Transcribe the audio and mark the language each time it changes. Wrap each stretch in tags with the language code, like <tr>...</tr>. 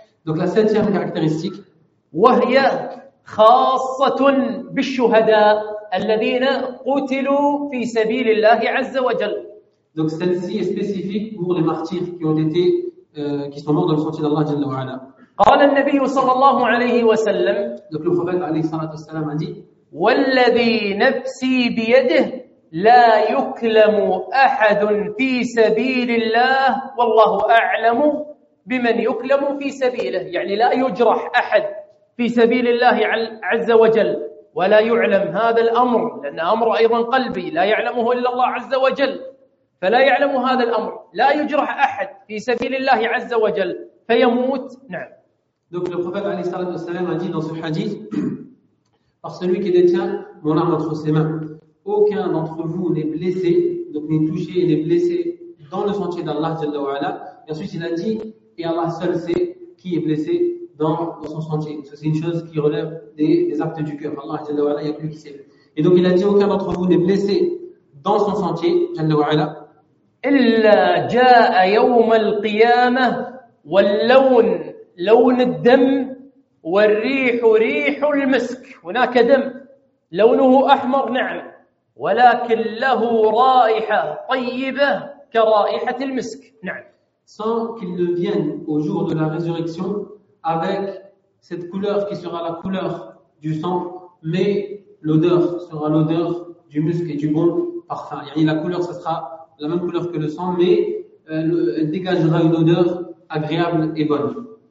<fr>Donc la septième caractéristique.</fr> <ar>وَهِيَ خَاصَّةٌ بِالشُّهَدَاءِ الَّذِينَ قُتِلُوا فِي سَبِيلِ اللَّهِ عَزَّ وَجَلَّ.</ar> <fr>Donc celle-ci est spécifique pour les martyrs qui ont été qui sont morts dans le sentier d'Allah</fr> <ar>Jalla wa'ala. قال النبي صلى الله عليه وسلم.</ar> <fr>Donc le prophète</fr> <ar>عليه الصلاة والسلام</ar> <fr>a dit.</fr> <ar>والذي نفسي بيده لا يكلم أحد في سبيل الله والله أعلم بمن يكلم في سبيله. يعني لا يجرح أحد في سبيل الله عز وجل ولا يعلم هذا الأمر لأن أمر أيضا قلبي لا يعلمه إلا الله عز وجل. فلا يعلم هذا الأمر لا يجرح أحد في سبيل الله عز وجل فيموت نعم.</ar> <fr>Donc le prophète</fr> <ar>عليه الصلاة والسلام</ar> <fr>a dit dans ce hadith par celui qui détient mon arme entre ses mains aucun d'entre vous n'est blessé donc n'est touché et n'est blessé dans le sentier d'Allah</fr> <ar>Jalla wa'ala.</ar> <fr>Et ensuite il a dit et Allah seul sait qui est blessé dans son sentier. Ça, c'est une chose qui relève des actes du cœur. Allah</fr> <ar>Jalla wa'ala,</ar> <fr>il n'y a plus qui sait. Et donc il a dit aucun d'entre vous n'est blessé dans son sentier,</fr> <ar>Jalla wa'ala. Illa ja'a yawm al-qiyama wal-lawn lawn al-dam wal-rih rih al-misk. هناك دم لونه احمر نعم ولكن له رائحه طيبه كرائحه المسك نعم.</ar> <fr>Sans qu'il ne vienne au jour de la résurrection avec cette couleur qui sera la couleur du sang, mais l'odeur sera l'odeur du musc et du bon. Parfum.</fr> <ar>Yani</ar> <fr>la couleur, ça sera la même couleur que le sang, mais elle dégagera une odeur agréable et bonne.</fr>